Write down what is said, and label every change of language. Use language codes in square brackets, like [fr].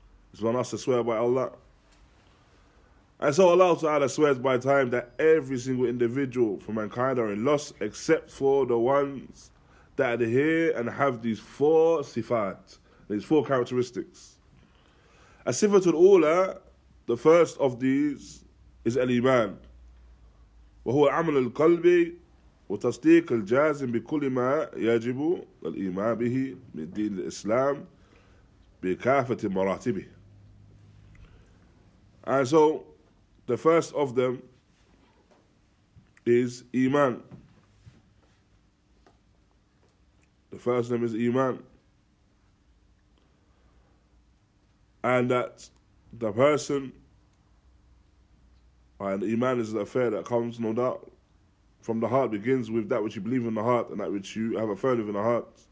[en] It's upon us to swear by Allah. And so Allah Ta'ala swears by time that every single individual from mankind are in loss except for the ones that adhere and have these four sifat, And it's four characteristics. A sifat al-ula, the first of these, is al-iman. [ar] وهو عمل القلب وتصديق الجازم بكل ما يجب الإيمان به من دين الإسلام بكافة مراتبه. [en] And so, the first of them is iman. The first name is iman, and that the person, and iman is an affair that comes, no doubt, from the heart, begins with that which you believe in the heart and that which you have affirmed in the heart,